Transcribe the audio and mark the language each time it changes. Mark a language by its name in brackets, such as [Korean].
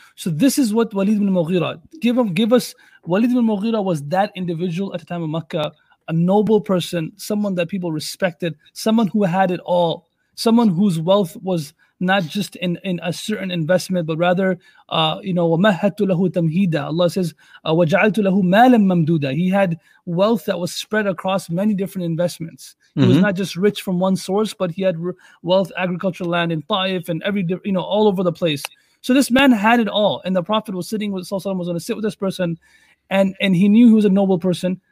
[English] So this is what Walid ibn Mughira, give us, Walid ibn Mughira was that individual at the time of Makkah, a noble person, someone that people respected, someone who had it all, someone whose wealth was not just in a certain investment, but rather, you know, [Arabic] وَمَهَّدْتُ لَهُ تَمْهِيدًا. [English] Allah says, [Arabic] وَجَعَلْتُ لَهُ مَالًا مَمْدُودًا. [English] He had wealth that was spread across many different investments. Mm-hmm. He was not just rich from one source, but he had wealth, agricultural land in Taif and every, you know, all over the place. So this man had it all. And the Prophet was sitting with, Sallallahu Alaihi Wasallam was going to sit with this person, and he knew he was a noble person.